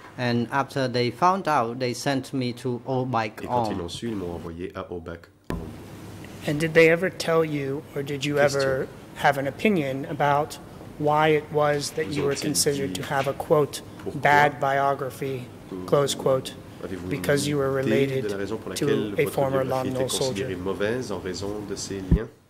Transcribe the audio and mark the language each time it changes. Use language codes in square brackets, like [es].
[en] And after they found out, they sent me to Obaik. [fr] Et quand ils l'ont su, ils m'ont envoyé à Obaik. [en] And did they ever tell you, or did you [fr] Question. [en] Ever have an opinion about why it was that you were considered to have a, quote, [fr] Pourquoi? [en] Bad biography, close quote, because you were related to a former Lon Nol soldier? [fr] Mauvaise en raison de ces liens?